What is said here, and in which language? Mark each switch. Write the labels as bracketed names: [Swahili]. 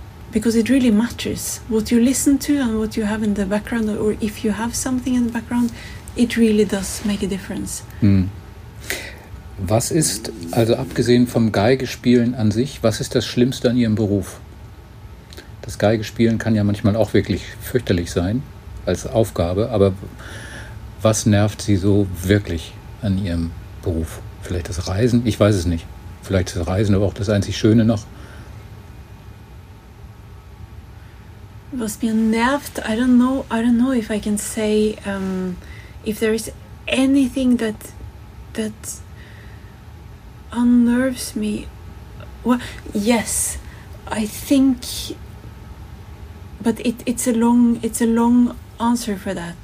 [English] because it really matters what you listen to and what you have in the background, or if you have something in the background, it really does make a difference. Mm. [German] Was ist, also abgesehen vom Geigespielen an sich, was ist das Schlimmste an Ihrem Beruf? Das Geigespielen kann ja manchmal auch wirklich fürchterlich sein als Aufgabe, aber was nervt Sie so wirklich an Ihrem Beruf? Vielleicht das Reisen? Ich weiß es nicht. Vielleicht das Reisen, aber auch das einzig Schöne noch. Was mir nervt, [English] I don't know if I can say if there is anything that that unnerves me. Well, yes, I think, but it's a long answer for that.